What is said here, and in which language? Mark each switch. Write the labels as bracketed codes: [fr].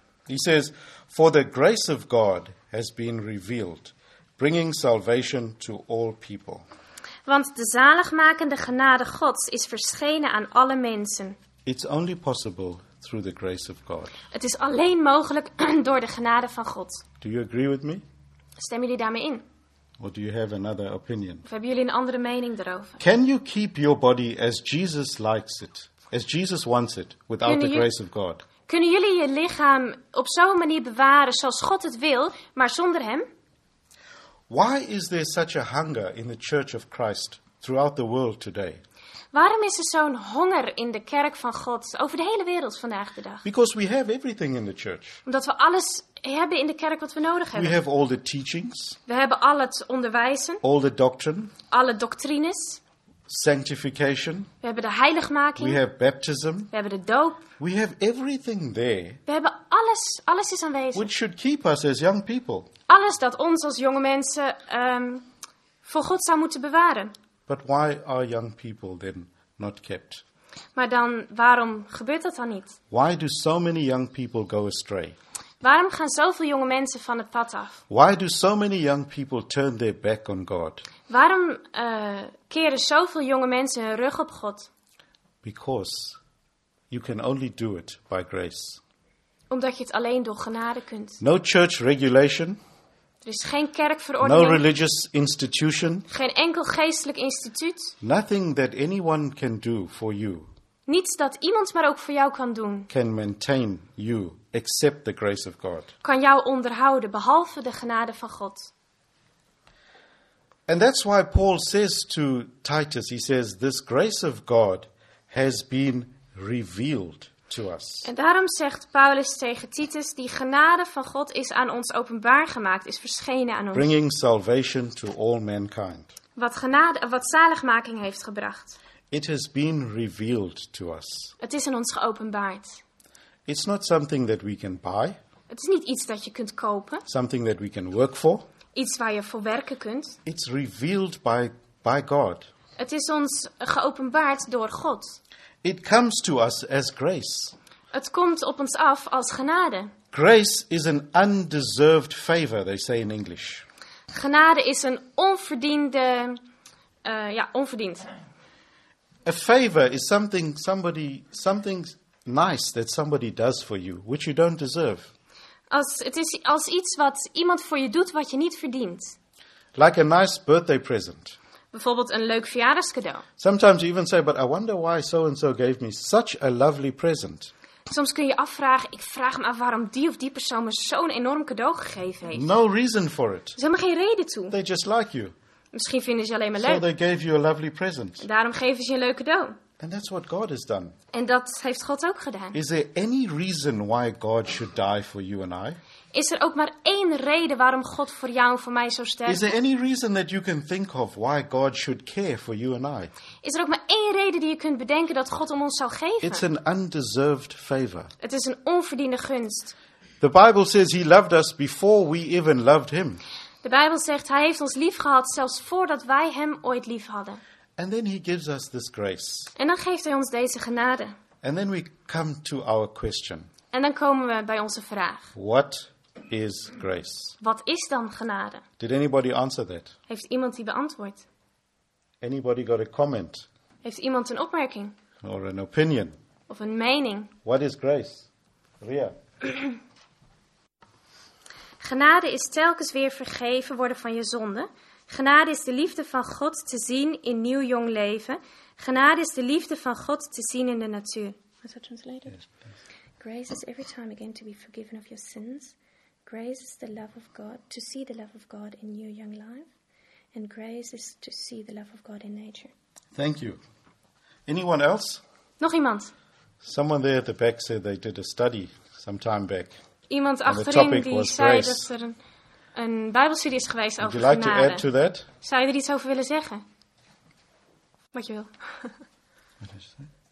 [en] He says, for the grace of God has been revealed, bringing salvation to all people. [nl] Want de zaligmakende genade Gods is verschenen aan alle mensen. [en] It's only possible through the grace of God. [nl] Het is alleen mogelijk door de genade van God. [en] Do you agree with me? [nl] Stemmen jullie daarmee in? [en] Or do you have another opinion? [nl] Of hebben jullie een andere mening erover? [en] Can you keep your body as Jesus likes it, as Jesus wants it, without the grace of God? [nl] Kunnen jullie je lichaam op zo'n manier bewaren zoals God het wil, maar zonder hem? [en] Why is there such a hunger in the Church of Christ throughout the world today? [nl] Waarom is er zo'n honger in de kerk van God over de hele wereld vandaag de dag? [en] Because we have everything in the church. [nl] Omdat we alles hebben in de kerk wat we nodig hebben. [en] We have all the teachings. [nl] We hebben al het onderwijzen. [en] All the doctrine. [nl] Alle doctrines. [en] Sanctification. [nl] We hebben de heiligmaking. [en] We have baptism. [nl] We hebben de doop. [en] We have everything there. [nl] We hebben alles. Alles is aanwezig. [en] Which should keep us as young people. [nl] Alles dat ons als jonge mensen voor God zou moeten bewaren. [en] But why are young people then not kept? [nl] Maar dan, waarom gebeurt dat dan niet? [en] Why do so many young people go astray? [nl] Waarom gaan zoveel jonge mensen van het pad af? [en] Why do so many young people turn their back on God? [nl] Waarom keren zoveel jonge mensen hun rug op God? [en] Because you can only do it by grace. [nl] Omdat je het alleen door genade kunt. [en] No church regulation. [nl] Er is geen kerkverordening. [en] No religious institution. [nl] Geen enkel geestelijk instituut. [en] Nothing that anyone can do for you. [nl] Niets dat iemand maar ook voor jou kan doen. [en] Can maintain you except the grace of God. [nl] Kan jou onderhouden behalve de genade van God. [en] And that's why Paul says to Titus, he says, this grace of God has been revealed. [nl] En daarom zegt Paulus tegen Titus, die genade van God is aan ons openbaar gemaakt, is verschenen aan ons. [en] Bringing salvation to all mankind. [nl] Wat zaligmaking heeft gebracht. [en] It has been revealed to us. [nl] Het is aan ons geopenbaard. [en] It's not something that we can buy. [nl] Het is niet iets dat je kunt kopen. [en] Something that we can work for. [nl] Iets waar je voor werken kunt. [en] It's revealed by God. [nl] Het is ons geopenbaard door God. [en] It comes to us as grace. [nl] Het komt op ons af als genade. [en] Grace is an undeserved favor, they say in English. [nl] Genade is een onverdiende, onverdiend. [en] A favor is something nice that somebody does for you, which you don't deserve. [nl] Het is als iets wat iemand voor je doet wat je niet verdient. [en] Like a nice birthday present. [nl] Bijvoorbeeld een leuk verjaardagscadeau. [en] Sometimes you even say, but I wonder why so and so gave me such a lovely present. [nl] Soms kun je afvragen, ik vraag me af waarom die of die persoon me zo'n enorm cadeau gegeven heeft. [en] No reason for it. [nl] Ze hebben geen reden toe. [en] They just like you. [nl] Misschien vinden ze alleen maar leuk. [en] So they gave you a lovely present. [nl] Daarom geven ze je een leuk cadeau. [en] And that's what God has done. [nl] En dat heeft God ook gedaan. [en] Is there any reason why God should die for you and I? [nl] Is er ook maar één reden waarom God voor jou en voor mij zou sterven? [en] Is there any reason that you can think of why God should care for you and I? [nl] Is er ook maar één reden die je kunt bedenken dat God om ons zou geven? [en] It's an undeserved favor. [nl] Het is een onverdiende gunst. [en] The Bible says he loved us before we even loved him. [nl] De Bijbel zegt hij heeft ons lief gehad zelfs voordat wij hem ooit lief hadden. [en] And then he gives us this grace. [nl] En dan geeft hij ons deze genade. [en] And then we come to our question. [nl] En dan komen we bij onze vraag. [en] What is grace? [nl] Wat is dan genade? [en] Did anybody answer that? [nl] Heeft iemand die beantwoord? [en] Anybody got a comment? [nl] Heeft iemand een opmerking? [en] Or an opinion? [nl] Of een mening? [en] What is grace? Ria. [nl] Genade is telkens weer vergeven worden van je zonde. Genade is de liefde van God te zien in nieuw jong leven. Genade is de liefde van God te zien in de natuur. Was dat translated? [en] Yes, grace is every time again to be forgiven of your sins. Grace is the love of God, to see the love of God in new young life. And grace is to see the love of God in nature. Thank you. Anyone else? [nl] Nog iemand? [en] Someone there at the back said they did a study some time back. [nl] Iemand achterin die zei grace. Dat er een Bijbelstudie is geweest [en] Would [nl] over [en] like [nl] genade. [en] To add to that? [nl] Zou je er iets over willen zeggen? Wat je wil. Wat is dat?